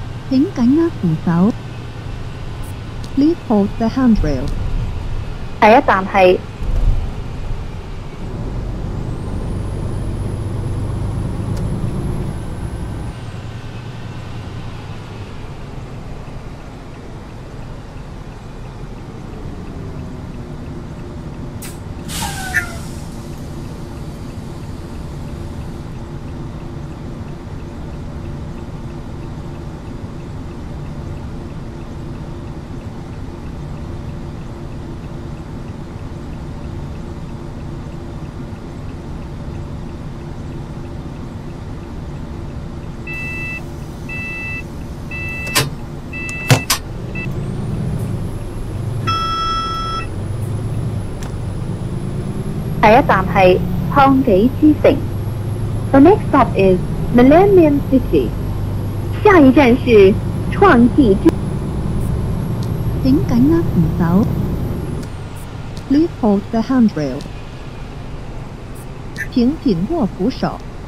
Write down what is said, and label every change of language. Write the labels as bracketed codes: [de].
[zh] 请紧握扶手。 [en] Please hold the handrail。 [zh] 下一站是第一站是創紀之城。 [en] The next stop is Millennium City. [zh] 下一站是創紀之城。請緊握扶手。 [en] Please hold the handrail. [zh] 請緊握扶手。